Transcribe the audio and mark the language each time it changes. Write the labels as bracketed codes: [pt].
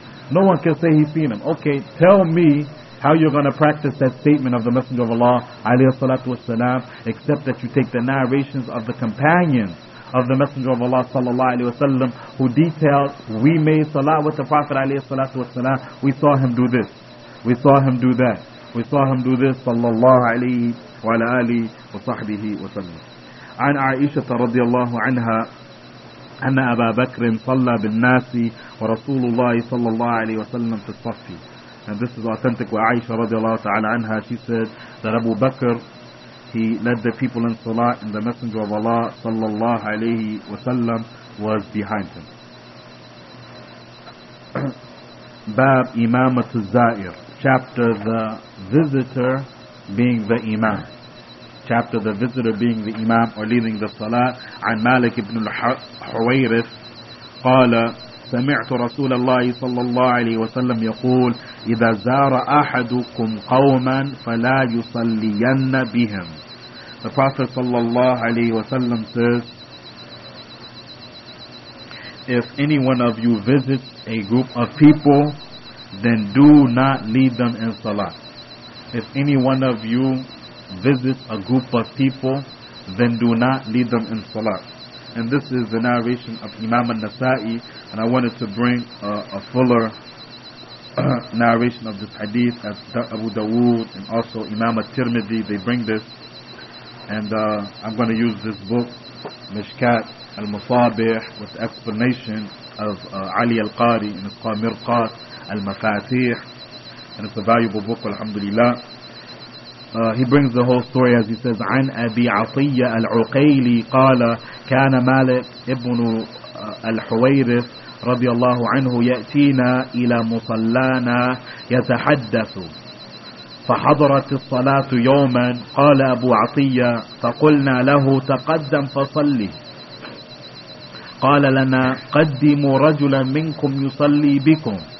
[en] No one can say he's seen him. Okay, tell me how you're going to practice that statement of the Messenger of Allah alayhi wa sallatu wa sallam, except that you take the narrations of the companions of the Messenger of Allah sallallahu alayhi wa sallam, who detailed, we made salat with the Prophet alayhi wa sallatu wa sallam, we saw him do this, we saw him do that, we saw him do this, sallallahu alayhi wa ala alihi wa sahbihi wa sallam. [ar] عن عائشة رضي الله عنها أن أبا بكر صلى بالناس ورسول الله صلى الله عليه وسلم في الصف. [en] And this is authentic. [ar] وعائشة رضي الله تعالى عنها, [en] she said that Abu Bakr, he led the people in salah and the Messenger of Allah [ar] صلى الله عليه وسلم [en] was behind him. [ar] باب إمامة الزائر, [en] chapter the visitor being the imam. Chapter the visitor being the imam or leading the salah. [ar] عن مالك بن الحويرث قال سمعت رسول الله صلى الله عليه وسلم يقول إذا زار أحدكم قوما فلا يصلين بهم. [en] The Prophet [ar] صلى الله عليه وسلم [en] says, if any one of you visits a group of people, then do not lead them in salah. If any one of you visit a group of people, then do not lead them in salah. And this is the narration of Imam al-Nasa'i, and I wanted to bring a fuller narration of this hadith as Abu Dawood and also Imam al-Tirmidhi, they bring this. And I'm going to use this book, Mishkat al-Musabih, with the explanation of Ali al-Qari, and it's called Mirqat al-Mafatih, and it's a valuable book, alhamdulillah. He brings the whole story as he says, [ar] عن أبي عطية العقيلي قال كان مالك ابن الحويرث رضي الله عنه يأتينا إلى مصلانا يتحدث فحضرت الصلاة يوما قال أبو عطية فقلنا له تقدم فصلي قال لنا قدموا رجلا منكم يصلي بكم